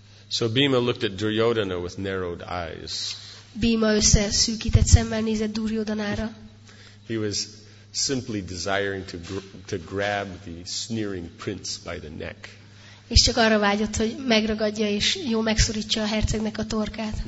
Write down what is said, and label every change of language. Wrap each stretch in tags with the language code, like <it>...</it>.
<en>So Bhima looked at Duryodhana with narrowed eyes.</en> <hu>Bhima összeszűkített szemmel nézett Duryodhanára.</hu> <en>He was simply desiring to grab the sneering prince by the neck.</en> <hu>És csak arra vágyott, hogy megragadja és jó megszorítsa a hercegnek a torkát.</hu>